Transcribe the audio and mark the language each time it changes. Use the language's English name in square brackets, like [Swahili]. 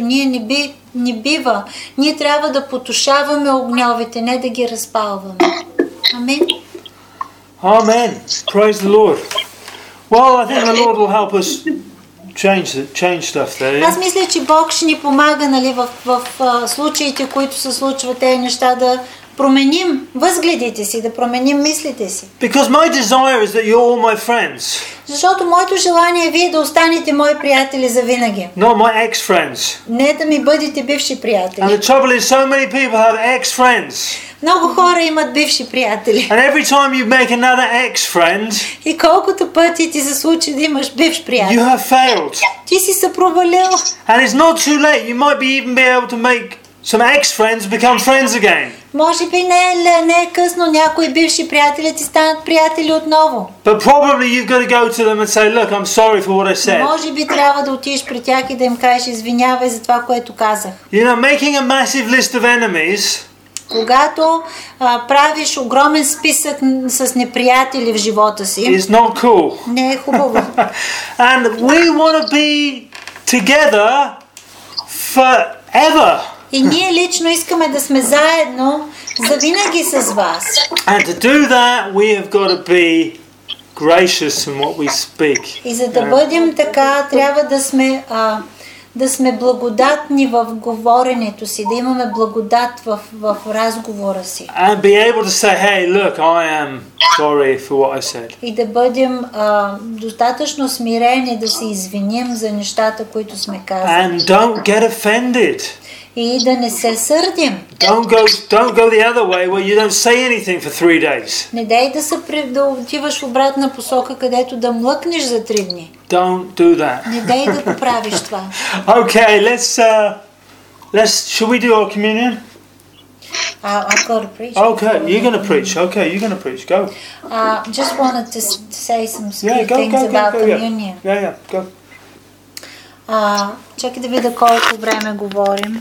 [Bulgarian] Ние не бива. Ние трябва да потушаваме огньовете, не да ги разпалваме. Амин. [English] Амин. Praise the Lord. Well, I think the Lord will help us. Change stuff there. [Bulgarian] Аз мисля, че Бог ще ни помага, нали, в случаите, които се случват тези неща, да променим възгледите си, да променим мислите си. [English] Because my desire is that you're all my friends. [Bulgarian] Защото моето желание е вие да останете мои приятели завинаги. [English] Not my ex-friends. [Bulgarian] Не да ми бъдете бивши приятели. [English] And the trouble is, so many people have ex-friends. [Bulgarian] Много хора имат бивши приятели. [English] And every time you make another ex-friend, [Bulgarian] и колкото пъти ти се случи да имаш бивш приятел, [English] you have failed. [Bulgarian] Ти си се провалил. [English] And it's not too late. You might be even be able to make some ex-friends become friends again. [Bulgarian] Може би не е късно, някои бивши приятели ти станат приятели отново. [English] But probably you've got to go to them and say, look, I'm sorry for what I said. [Bulgarian] Може би трябва да отидеш при тях и да им кажеш извинявай за това, което казах. [English] You know, making a massive list of enemies. [Bulgarian] Когато правиш огромен списък с неприятели в живота си. [English] It's not cool. [Bulgarian] Не е хубаво. [English] And we want to be together forever. [Bulgarian] И ние лично искаме да сме заедно за винаги с вас. [English] And to do that, we have got to be gracious in what we speak. [Bulgarian] И за да бъдем така, трябва да сме да сме благодатни в говоренето си, да имаме благодат в разговора си. [English] And be able to say, hey, look, I am sorry for what I said. [Bulgarian] И да бъдем достатъчно смирени да се извиним за нещата, които сме казали. [English] And don't get offended. [Bulgarian] И да не се сърдим. [English] Don't go the other way where you don't say anything for 3 days. [Bulgarian] Не дай да се да отиваш в обратна посока, където да млъкнеш за 3 дни. [English] Don't do that. [Bulgarian] Не дай да го правиш това. [English] Okay, let's should we do our communion? I've got to preach. Okay, you're going to preach. Okay, you're going to preach. Go. Just wanted to say some things about communion. Yeah, go. [Bulgarian] Чакай да видя колко време говорим.